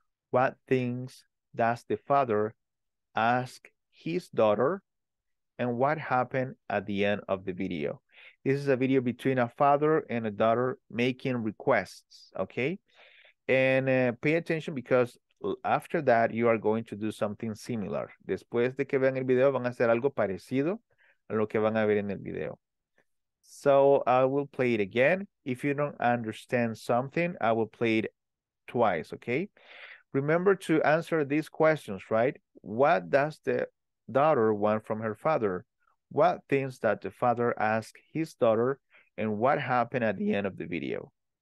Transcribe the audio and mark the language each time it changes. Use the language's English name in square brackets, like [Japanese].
[English] What things does the father ask his daughter? And what happened at the end of the video? This is a video between a father and a daughter making requests, okay? And pay attention, because after that, you are going to do something similar. [Spanish] Después de que vean el video, van a hacer algo parecido a lo que van a ver en el video. [English] So I will play it again. If you don't understand something, I will play it twice, okay? Remember to answer these questions, right? What does the daughter want from her father? What things that the father asked his daughter? And what happened at the end of the video?